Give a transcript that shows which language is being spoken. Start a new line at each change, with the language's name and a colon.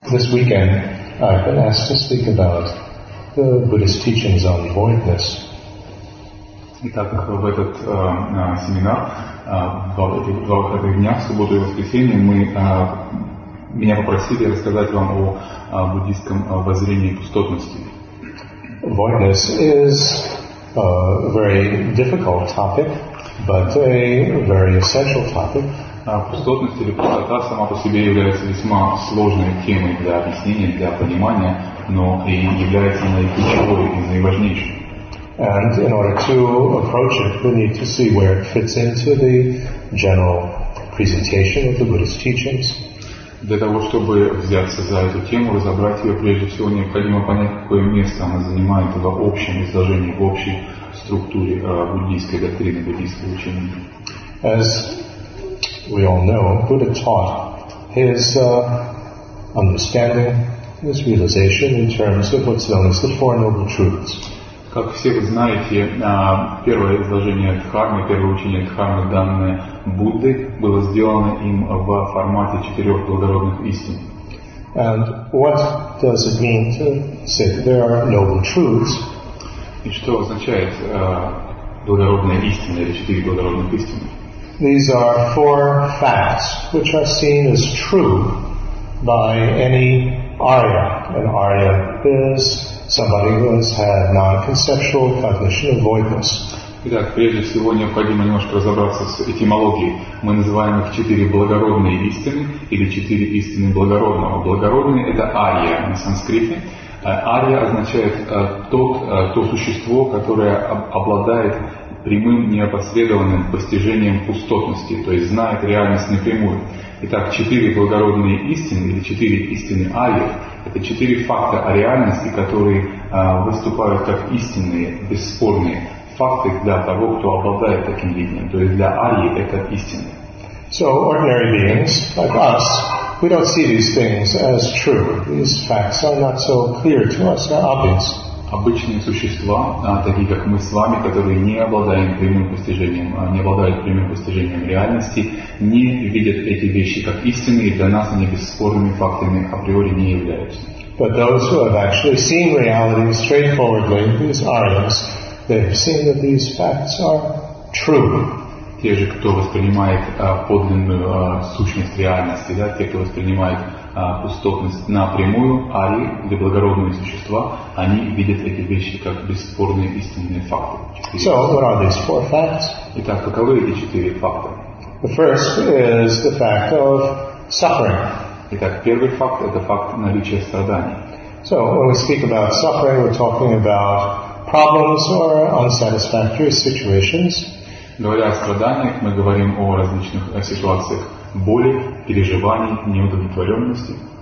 English: This weekend, I've been asked to speak about the Buddhist teachings on voidness.
Russian: Итак, в этот семинар, два выходных дня, в субботу и воскресенье, меня попросили рассказать вам о буддийском воззрении пустотности.
English: Voidness is a very difficult topic, but a very essential topic.
Russian: Пустотность или пустота сама по себе является весьма сложной темой для объяснения, для понимания, но и является она и ключевой, и наиважнейшей.
English: And in order to approach it, we need to see where it fits into the general presentation of the Buddhist teachings.
Russian: Для того, чтобы взяться за эту тему, разобрать ее, прежде всего, необходимо понять, какое место она занимает в общем изложении, в общей структуре буддийской доктрины, буддийского учения.
English: As we all know, Buddha taught his understanding, his realization in terms of what's known as the Four Noble Truths.
Russian: Как все вы знаете, первое изложение Дхармы, первое учение Дхармы, данное Буддой, было сделано им в формате четырех благородных истин.
English: And what does it mean to say that there are noble truths?
Russian: И что означает благородная истина или четыре благородных истины?
English: These are four facts which are seen as true by any Arya. An Arya is somebody who has had non-conceptual cognition of voidness.
Russian: Итак, прежде всего необходимо немножко разобраться с этимологией. Мы называем их четыре благородные истины или четыре истины благородного. Благородные – это Арья на санскрите. Арья означает то существо, которое обладает прямым неопосредованным постижением пустотности, то есть знает реальность напрямую. Итак, четыре благородные истины или четыре истины Арьев – это четыре факта о реальности, которые выступают как истинные, бесспорные факты для того, кто обладает таким видением, то есть для Арьи это истина.
English: So ordinary beings like us, we don't see these things as true. These facts are not so clear to us, not obvious.
Russian: Обычные существа, такие как мы с вами, которые не обладают прямым постижением, не обладают прямым постижением реальности, не видят эти вещи как истины, и для нас они бесспорными фактами априори не являются.
English: But those who have actually seen reality straightforwardly, these arias, they've seen that these facts are true.
Russian: Те же, кто воспринимает подлинную сущность реальности, да, те, кто воспринимает пустотность напрямую, арии или благородные существа, они видят эти вещи как бесспорные истинные факты.
English: So, what are these four facts?
Russian: Итак, каковы эти четыре факта?
English: The first is the fact of suffering.
Russian: Итак, первый факт – это факт наличия страданий.
English: So, when we speak about suffering, we're talking about problems or unsatisfactory situations.
Russian: Говоря о страданиях, мы говорим о различных ситуациях боли, переживаний, неудовлетворенности.